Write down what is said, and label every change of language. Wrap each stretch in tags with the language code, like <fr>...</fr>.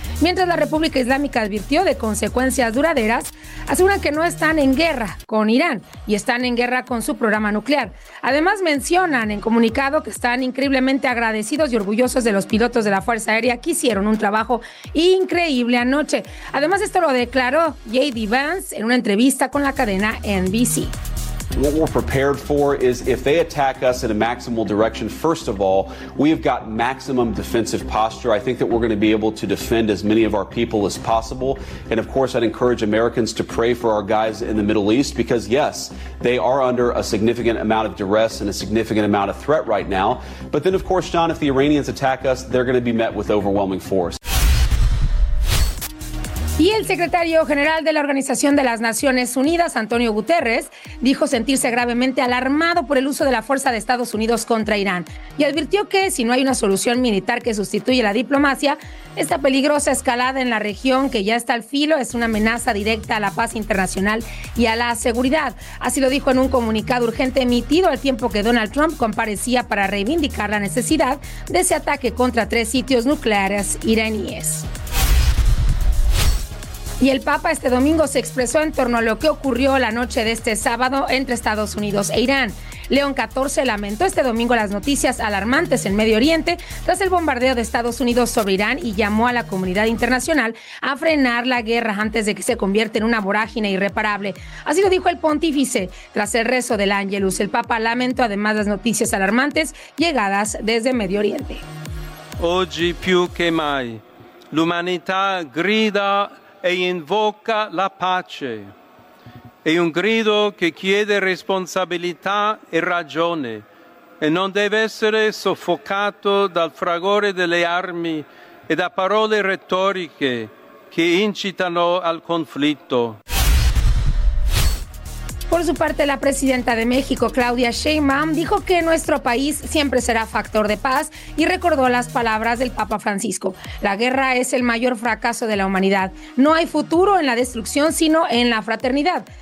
<es>Mientras la República Islámica advirtió de consecuencias duraderas, aseguran que no están en guerra con Irán y están en guerra con su programa nuclear. Además mencionan en comunicado que están increíblemente agradecidos y orgullosos de los pilotos de la Fuerza Aérea que hicieron un trabajo increíble anoche. Además, esto lo declaró J.D. Vance en una entrevista con la cadena NBC.</es> <en>What we're prepared for is if they attack us in a maximal direction, first of all, we have got maximum defensive posture. I think that we're going to be able to defend as many of our people as possible. And of course, I'd encourage Americans to pray for our guys in the Middle East because, yes, they are under a significant amount of duress and a significant amount of threat right now. But then, of course, John, if the Iranians attack us, they're going to be met with overwhelming force.</en> <es>Y el secretario general de la Organización de las Naciones Unidas, Antonio Guterres, dijo sentirse gravemente alarmado por el uso de la fuerza de Estados Unidos contra Irán y advirtió que si no hay una solución militar que sustituya la diplomacia, esta peligrosa escalada en la región que ya está al filo es una amenaza directa a la paz internacional y a la seguridad. Así lo dijo en un comunicado urgente emitido al tiempo que Donald Trump comparecía para reivindicar la necesidad de ese ataque contra 3 sitios nucleares iraníes. Y el Papa este domingo se expresó en torno a lo que ocurrió la noche de este sábado entre Estados Unidos e Irán. León XIV lamentó este domingo las noticias alarmantes en Medio Oriente tras el bombardeo de Estados Unidos sobre Irán y llamó a la comunidad internacional a frenar la guerra antes de que se convierta en una vorágine irreparable. Así lo dijo el pontífice tras el rezo del Ángelus. El Papa lamentó además las noticias alarmantes llegadas desde Medio Oriente.</es> <it>Hoy più che mai, l'umanità grida e invoca la pace. È un grido che chiede responsabilità e ragione e non deve essere soffocato dal fragore delle armi e da parole retoriche che incitano al conflitto.</it> <es>Por su parte, la presidenta de México, Claudia Sheinbaum, dijo que nuestro país siempre será factor de paz y recordó las palabras del Papa Francisco. La guerra es el mayor fracaso de la humanidad. No hay futuro en la destrucción, sino en la fraternidad.</es>